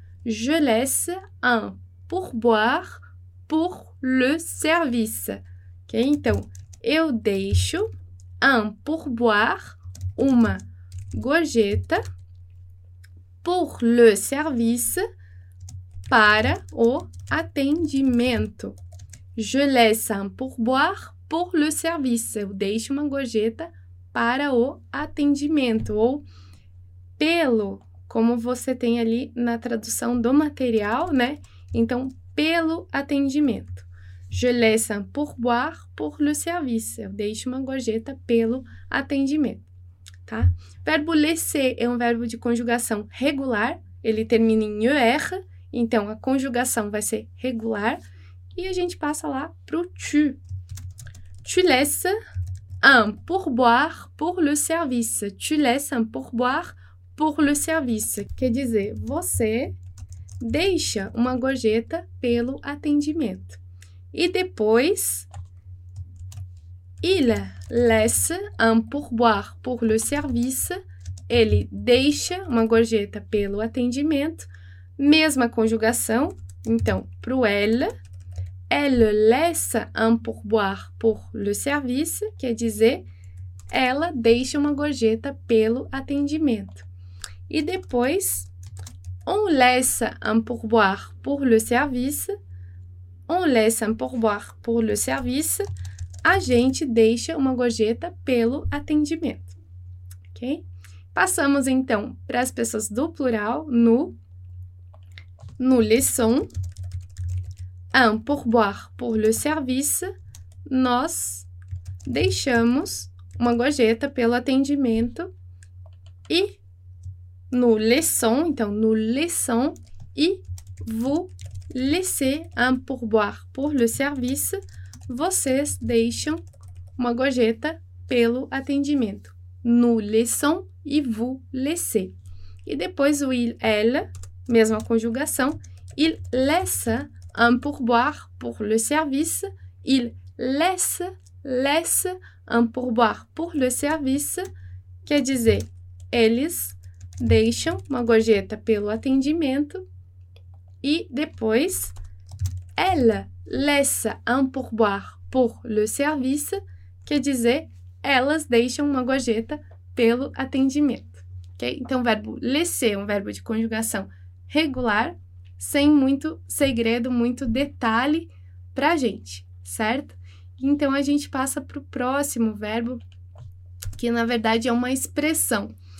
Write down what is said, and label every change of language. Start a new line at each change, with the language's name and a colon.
French: Je laisse un pourboire pour le service. Ok?
Portuguese: Então, eu deixo
French: un pourboire,
Portuguese: uma gorjeta,
French: pour le service,
Portuguese: para o atendimento.
French: Je laisse un pourboire pour le service,
Portuguese: eu deixo uma gorjeta para o atendimento, ou pelo, como você tem ali na tradução do material, né? Então, pelo atendimento.
French: Je laisse un pourboire pour le service,
Portuguese: eu deixo uma gorjeta pelo atendimento, tá? Verbo laisser é um verbo de conjugação regular, ele termina em er, então a conjugação vai ser regular, e a gente passa lá pro tu.
French: Tu laisses un pourboire pour le service. Tu laisses un pourboire pour le service,
Portuguese: quer dizer, você deixa uma gorjeta pelo atendimento. E depois,
French: il laisse un pourboire pour le service,
Portuguese: ele deixa uma gorjeta pelo atendimento, mesma conjugação, então, pro elle.
French: Elle laisse un pourboire pour le service,
Portuguese: quer dizer, ela deixa uma gorjeta pelo atendimento. E depois,
French: on laisse un pourboire pour le service. On laisse un pourboire pour le service.
Portuguese: A gente deixa uma gorjeta pelo atendimento. Ok? Passamos então para as pessoas do plural,
French: nous laissons un pourboire pour le service.
Portuguese: Nós deixamos uma gorjeta pelo atendimento.
French: E nous laissons, então, nous laissons e vous laissez un pourboire pour le service.
Portuguese: Vocês deixam uma gorjeta pelo atendimento.
French: Nous laissons e vous laissez.
Portuguese: E depois o
French: il, elle,
Portuguese: mesma conjugação.
French: Il laisse un pourboire pour le service. Il laisse un pourboire pour le service.
Portuguese: Quer dizer, eles deixam uma gorjeta pelo atendimento. E depois,
French: elle laisse un pourboire pour le service.
Portuguese: Quer dizer, elas deixam uma gorjeta pelo atendimento. Okay? Então, o verbo laisser é um verbo de conjugação regular, sem muito segredo, muito detalhe para a gente, certo? Então, a gente passa para o próximo verbo, que na verdade é uma expressão.